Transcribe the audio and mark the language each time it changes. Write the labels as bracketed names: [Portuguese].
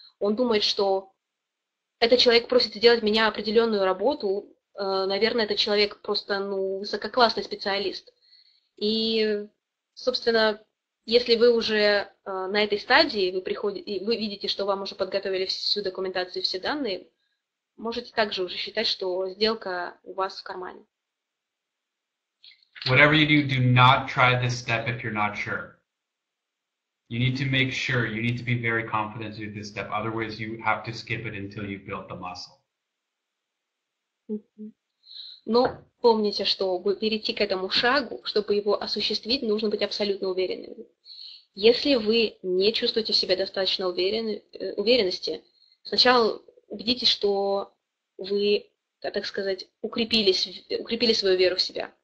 [Russian] Он думает, что этот человек просит сделать меня определенную работу, наверное, этот человек просто, ну, высококлассный специалист. И, собственно, если вы уже на этой стадии, вы видите, что вам уже подготовили всю документацию, все данные, можете также уже считать, что сделка у вас в кармане. [English] Whatever you do, do not try this step if you're not sure. You need to make sure, you need to be very confident to do this step. Otherwise, you have to skip it until you've built the muscle. [Russian] Но помните, чтобы перейти к этому шагу, чтобы его осуществить, нужно быть абсолютно уверенными. Если вы не чувствуете в себе достаточно уверенности, сначала убедитесь, что вы, так сказать, укрепили свою веру в себя.